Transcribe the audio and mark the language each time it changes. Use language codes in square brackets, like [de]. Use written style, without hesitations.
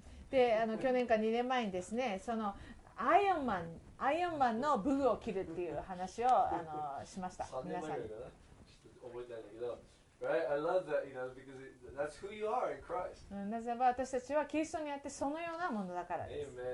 [ja] で、去年か2年前にですね、そのアイアンマンの武具を着るっていう話をしました。皆さん。3年前かな。ちょっと覚えてないんだけど。 [en] Right? I love that, you know, because that's who you are in Christ. [ja] なぜなら私たちはキリストにあってそのようなものだからです。